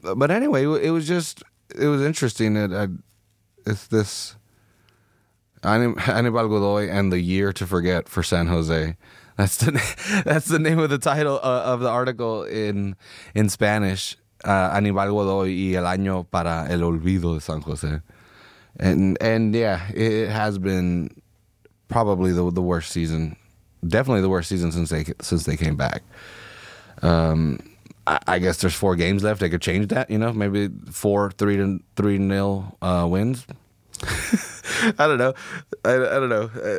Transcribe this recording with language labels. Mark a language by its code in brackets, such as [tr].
[en] But anyway, it was interesting that it's this Aníbal Godoy and the year to forget for San Jose. That's the name of the title of the article in Spanish. [es] Aníbal Godoy y el año para el olvido de San Jose. [en] And yeah, it has been probably the worst season, definitely the worst season since they came back. I guess there's four games left. They could change that, you know, maybe 4-3-3-0 wins. I don't know. I don't know.